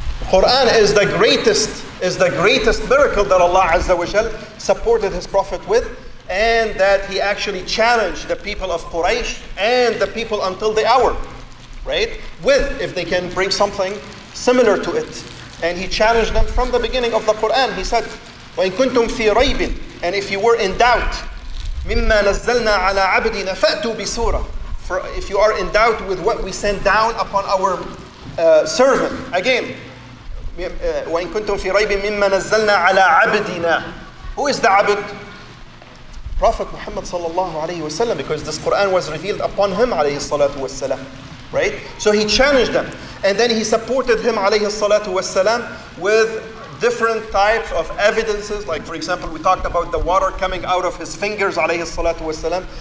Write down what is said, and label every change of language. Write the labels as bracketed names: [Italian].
[English] Quran is the greatest, miracle that Allah Azza wa Jal supported his prophet with, and that he actually challenged the people of Quraysh and the people until the hour, right? With, if they can bring something similar to it. And he challenged them from the beginning of the Quran. He said, [Arabic] وَإِن كُنْتُمْ فِي رَيْبٍ, [English] and if you were in doubt, [Arabic] مِمَّا نَزَّلْنَا عَلَىٰ عَبْدِنَا فَأْتُوا بِسُورَةٍ. [English] For if you are in doubt with what we send down upon our servant. Again, [Arabic] وَإِن كُنْتُمْ فِي رَيْبٍ مِمَّا نَزَّلْنَا عَلَىٰ عَبْدِنَا. [English] Who is the abd? Prophet Muhammad sallallahu alayhi wa sallam, because this Quran was revealed upon him alayhi salatu wa salam. Right? So he challenged them. And then he supported him alayhi salatu wasalam with different types of evidences. Like, for example, we talked about the water coming out of his fingers alayhi salatu wasalam.